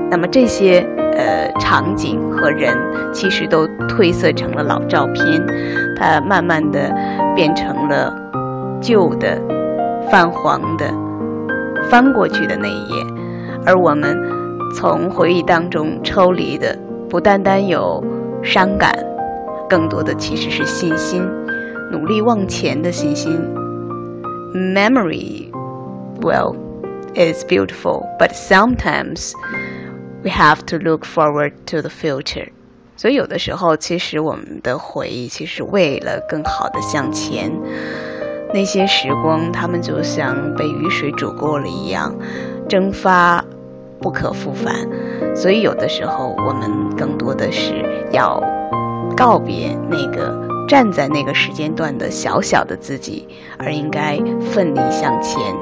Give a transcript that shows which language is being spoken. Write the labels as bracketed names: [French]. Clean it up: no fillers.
[Chinese] 那么这些场景和人其实都褪色成了老照片，它慢慢地变成了旧的泛黄的翻过去的那一页。而我们从回忆当中抽离的，不单单有伤感，更多的其实是信心，努力往前的信心。 [English] Memory well is beautiful, but sometimes we have to look forward to the future. [Chinese] 所以有的时候其实我们的回忆其实为了更好的向前，那些时光他们就像被雨水煮过了一样，蒸发不可复返。所以有的时候我们更多的是要告别那个站在那个时间段的小小的自己，而应该奋力向前。